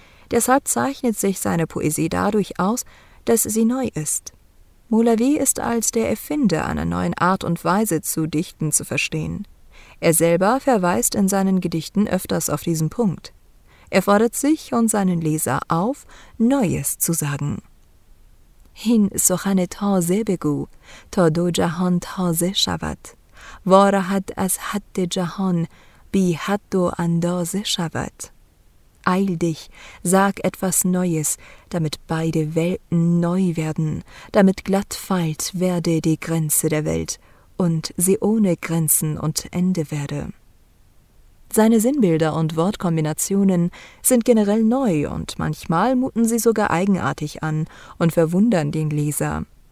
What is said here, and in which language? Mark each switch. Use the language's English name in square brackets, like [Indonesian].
[German] Deshalb zeichnet sich seine Poesie dadurch aus, dass sie neu ist. Molavi ist als der Erfinder einer neuen Art und Weise zu dichten zu verstehen. Er selber verweist in seinen Gedichten öfters auf diesen Punkt. Er fordert sich und seinen Leser auf, Neues zu sagen. [Persian] Hin سخن تازه بگو تا دو جهان تازه شود وارهد از حد جهان بی حد و اندازه شود. [German] Eil dich, sag etwas Neues, damit beide Welten neu werden, damit glatt feilt werde die Grenze der Welt und sie ohne Grenzen und Ende werde. Seine Sinnbilder und Wortkombinationen sind generell neu und manchmal muten sie sogar eigenartig an und verwundern den Leser.